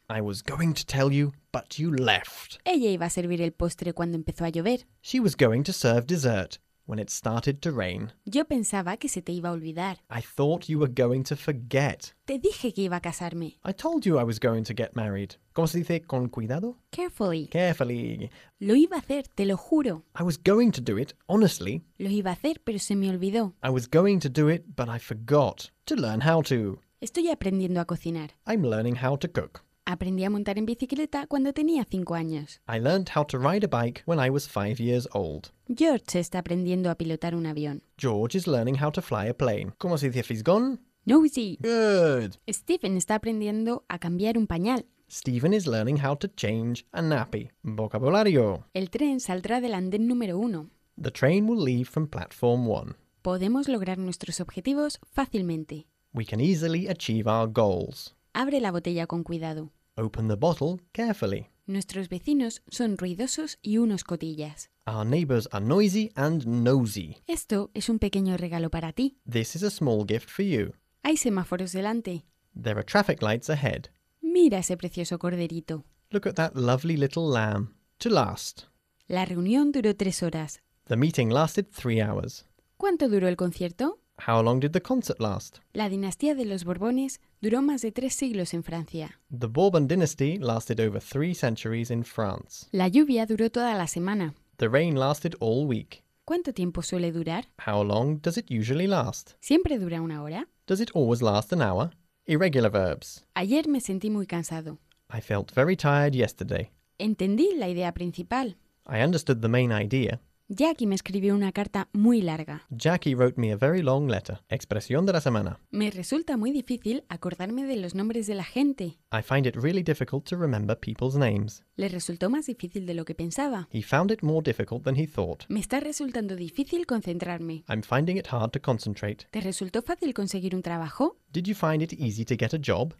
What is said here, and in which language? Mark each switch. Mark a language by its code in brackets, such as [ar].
[en] I was going to tell you, but you left. [es] Ella iba a servir el postre cuando empezó a llover. [en] She was going to serve dessert when it started to rain. [es] Yo pensaba que se te iba a olvidar. [en] I thought you were going to forget. [es] Te dije que iba a casarme. [en] I told you I was going to get married. [es] ¿Cómo se dice con cuidado? [en] Carefully. Carefully. [es] Lo iba a hacer, te lo juro. [en] I was going to do it, honestly. [es] Lo iba a hacer, pero se me olvidó. [en] I was going to do it, but I forgot to learn how to. [es] Estoy aprendiendo a cocinar. [en] I'm learning how to cook. [es] Aprendí a montar en bicicleta cuando tenía 5 años. [en] I learned how to ride a bike when I was 5 years old. [es] George está aprendiendo a pilotar un avión. [en] George is learning how to fly a plane. [es] ¿Cómo se dice fisgón? [en] Nosy. Good. [es] Stephen está aprendiendo a cambiar un pañal. [en] Stephen is learning how to change a nappy. [es] Vocabulario. El tren saldrá del andén número 1. [en] The train will leave from platform 1. [es] Podemos lograr nuestros objetivos fácilmente. [en] We can easily achieve our goals. [es] Abre la botella con cuidado. [en] Open the bottle carefully. [es] Nuestros vecinos son ruidosos y unos cotillas. [en] Our neighbors are noisy and nosy. [es] Esto es un pequeño regalo para ti. [en] This is a small gift for you. [es] Hay semáforos delante. [en] There are traffic lights ahead. [es] Mira ese precioso corderito. [en] Look at that lovely little lamb. To last. [es] La reunión duró 3 horas. [en] The meeting lasted 3 hours. [es] ¿Cuánto duró el concierto? [en] How long did the concert last? [es] La dinastía de los Borbones duró más de 3 siglos en Francia. [en] The Bourbon dynasty lasted over 3 centuries in France. [es] La lluvia duró toda la semana. [en] The rain lasted all week. [es] ¿Cuánto tiempo suele durar? [en] How long does it usually last? [es] ¿Siempre dura una hora? [en] Does it always last an hour? Irregular verbs. [es] Ayer me sentí muy cansado. [en] I felt very tired yesterday. [es] Entendí la idea principal. [en] I understood the main idea. [es] Jackie me escribió una carta muy larga. [en] Jackie wrote me a very long letter. [es] Expresión de la semana. Me resulta muy difícil acordarme de los nombres de la gente. [en] I find it really difficult to remember people's names. [es] Le resultó más difícil de lo que pensaba. [en] He found it more difficult than he thought. [es] Me está resultando difícil concentrarme. [en] I'm finding it hard to concentrate. [es] ¿Te resultó fácil conseguir un trabajo? [en] Did you find it easy to get a job?